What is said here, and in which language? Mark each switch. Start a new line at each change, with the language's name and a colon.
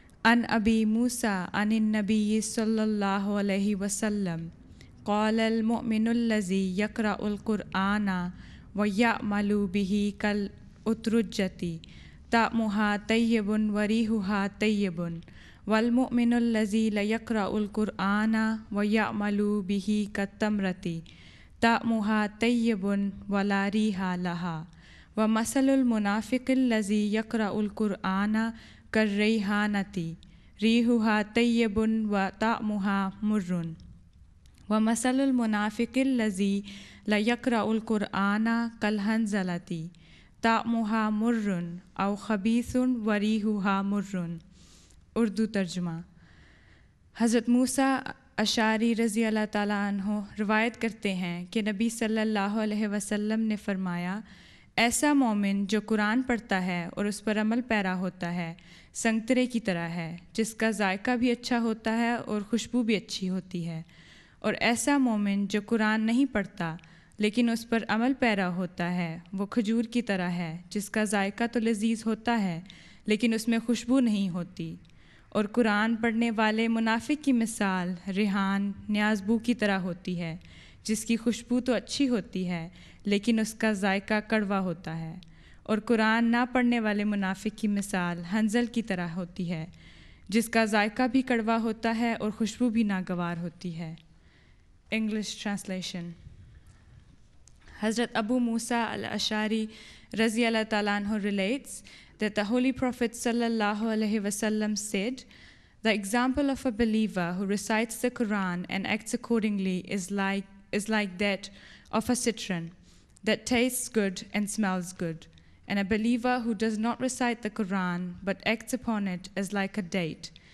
Arabic: अन अबी मूसा अन नबी सल्लल्लाहु अलैहि वसल्लम قال المؤمن الذي يقرأ القرآن ويعمل به كالأترجة طعمها طيب وريحها طيب والمؤمن الذي لا يقرأ القرآن ويعمل به كالتمرة طعمها طيب ولا ريح لها ومثل المنافق الذي يقرأ القرآن كالريحانة ريحها طيب وطعمها مر ومثل المنافق الذي لا يقرأ القرآن كالهنزلة طعمها مر أو خبيث وريحها مر.
Urdu: اردو ترجمہ. حضرت موسیٰ اشعری رضی اللہ تعالیٰ عنہ روایت کرتے ہیں کہ نبی صلی اللہ علیہ وسلم نے فرمایا, ایسا مومن جو قرآن پڑھتا ہے اور اس پر عمل پیرا ہوتا ہے سنگترے کی طرح ہے, جس کا ذائقہ بھی اچھا ہوتا ہے اور خوشبو بھی اچھی ہوتی ہے, اور ایسا مومن جو قرآن نہیں پڑھتا لیکن اس پر عمل پیرا ہوتا ہے وہ کھجور کی طرح ہے, جس کا ذائقہ تو لذیذ ہوتا ہے لیکن اس میں خوشبو نہیں ہوتی, اور قرآن پڑھنے والے منافق کی مثال ریحان نیازبو کی طرح ہوتی ہے, جس کی خوشبو تو اچھی ہوتی ہے لیکن اس کا ذائقہ کڑوا ہوتا ہے, اور قرآن نہ پڑھنے والے منافق کی مثال ہنزل کی طرح ہوتی ہے, جس کا ذائقہ بھی کڑوا ہوتا ہے اور خوشبو بھی ناگوار ہوتی ہے. English translation.
English: حضرت ابو موسیٰ الاشعری
Arabic: رضی اللہ تعالیٰ عنہ
English: relates that the Holy Prophet sallallahu alaihi wasallam said, the example of a believer who recites the Quran and acts accordingly is like that of a citron that tastes good and smells good, and a believer who does not recite the Quran but acts upon it is like a date